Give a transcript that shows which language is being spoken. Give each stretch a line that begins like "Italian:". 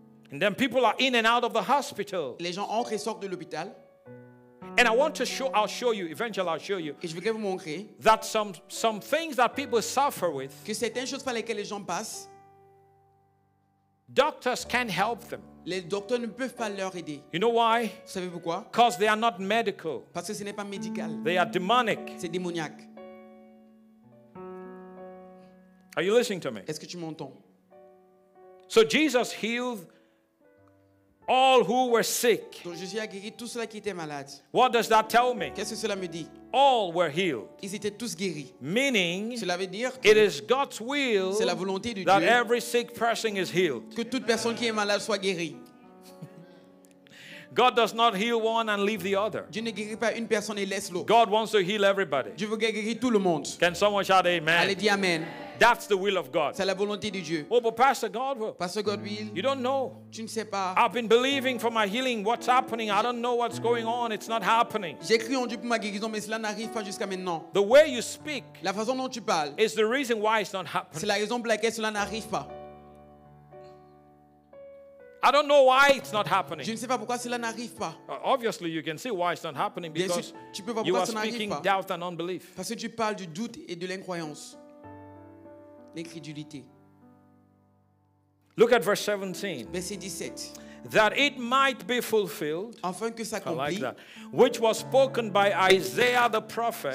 English: And then people are in and out of the hospital.
French: Les gens entrent et sortent de l'hôpital.
English: And I want to show, I'll show you, eventually I'll show you,
French: et je voudrais vous montrer
English: that some things that people suffer with,
French: que certaines choses par lesquelles les gens passent,
English: doctors can't help them.
French: Les docteurs ne peuvent pas leur aider.
English: You know why?
French: Vous savez pourquoi?
English: Because they are not medical.
French: Parce que ce n'est pas médical.
English: They are demonic.
French: C'est démoniaque.
English: Are you listening to me?
French: Est-ce que tu m'entends?
English: So Jesus healed all who were sick.
French: Donc Jésus a guéri tous ceux qui étaient malades.
English: What does that tell me?
French: Qu'est-ce que cela me dit?
English: All were healed.
French: Ils étaient tous guéris.
English: Meaning,
French: cela veut dire que
English: it is God's will,
French: c'est la volonté de Dieu,
English: that every sick person is healed.
French: Que toute personne qui est malade soit guérie.
English: God does not heal one and leave the other.
French: Dieu ne guérit pas une personne et laisse l'autre.
English: God wants to heal everybody.
French: Dieu veut guérir tout le monde.
English: Can someone shout amen?
French: Allez dire amen.
English: That's the will of God.
French: C'est la volonté de Dieu.
English: Oh, but Pastor Godwill. Pastor Godwill. You don't know.
French: Tu ne sais pas.
English: I've been believing for my healing. What's happening? I don't know what's going on. It's not happening.
French: J'ai cru en Dieu pour ma guérison, mais cela n'arrive pas jusqu'à maintenant.
English: The way you speak,
French: la façon dont tu parles,
English: is the reason why it's not happening.
French: C'est la raison pour laquelle cela n'arrive pas.
English: I don't know why it's not happening.
French: Je ne sais pas pourquoi cela n'arrive pas.
English: Obviously, you can see why it's not happening because
French: tu peux voir
English: you are speaking doubt and unbelief.
French: Parce que tu parles du doute et de l'incroyance. L'incrédulité.
English: Look at verse 17.
French: Verset 17.
English: That it might be fulfilled.
French: Afin que s'accomplisse.
English: I like that. Which was spoken by Isaiah the prophet.